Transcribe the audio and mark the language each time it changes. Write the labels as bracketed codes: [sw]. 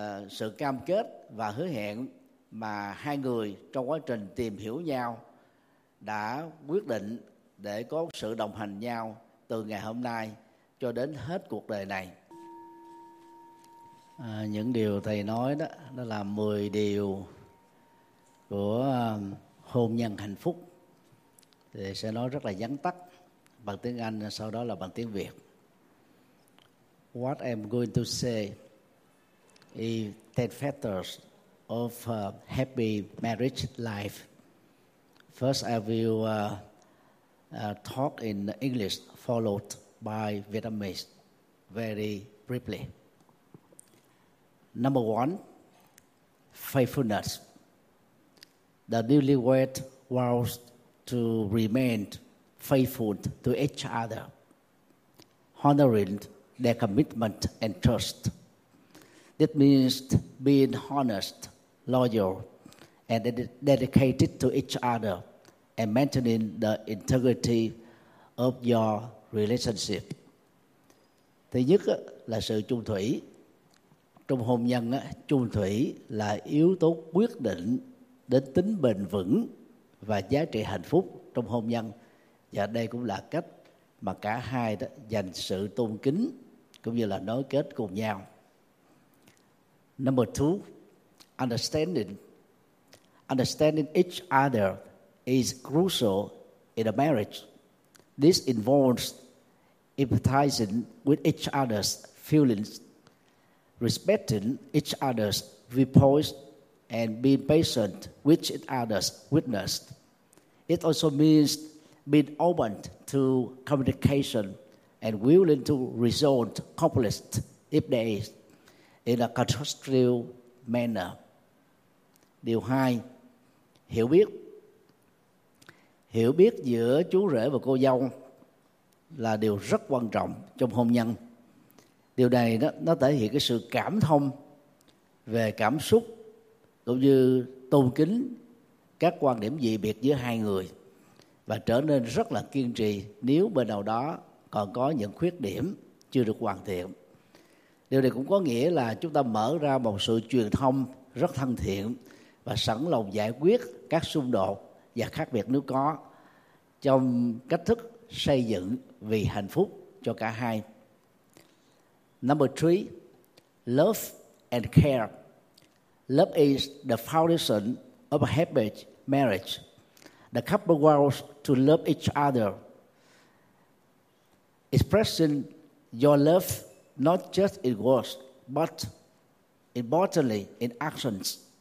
[vi] sự cam kết và hứa hẹn mà hai người trong quá trình tìm hiểu nhau đã quyết định để có sự đồng hành nhau từ ngày hôm nay cho đến hết cuộc đời này. Những điều thầy nói đó là 10 điều của hôn nhân hạnh phúc thì sẽ nói rất là vắn tắt bằng tiếng Anh, sau đó là bằng tiếng Việt. [en] What I'm going to say is 10 factors of happy marriage life. First, I will talk in English, followed by Vietnamese, very briefly. Number one, faithfulness. The newlywed vows to remain faithful to each other, honoring their commitment and trust. That means being honest, loyal, and dedicated to each other, and maintaining the integrity of your relationship. [vi] Thứ nhất là sự chung thủy. Trong hôn nhân, chung thủy là yếu tố quyết định đến tính bền vững và giá trị hạnh phúc trong hôn nhân. Và đây cũng là cách mà cả hai đó dành sự tôn kính cũng như là nối kết cùng nhau. [en] Number two, understanding. Understanding each other is crucial in a marriage. This involves empathizing with each other's feelings, respecting each other's viewpoints, and being patient with each other's weakness. It also means being open to communication and willing to resolve conflicts if there is, in a constructive manner. [vi] Điều hai, hiểu biết. Hiểu biết giữa chú rể và cô dâu là điều rất quan trọng trong hôn nhân. Điều này nó thể hiện cái sự cảm thông về cảm xúc cũng như tôn kính các quan điểm dị biệt giữa hai người, và trở nên rất là kiên trì nếu bên nào đó còn có những khuyết điểm chưa được hoàn thiện. Điều này cũng có nghĩa là chúng ta mở ra một sự truyền thông rất thân thiện và sẵn lòng giải quyết các xung đột và khác biệt nếu có, trong cách thức xây dựng vì hạnh phúc cho cả hai. [en] Number three, love and care. Love is the foundation of a happy marriage. The couple vows to love each other, expressing your love not just in words, but importantly in actions.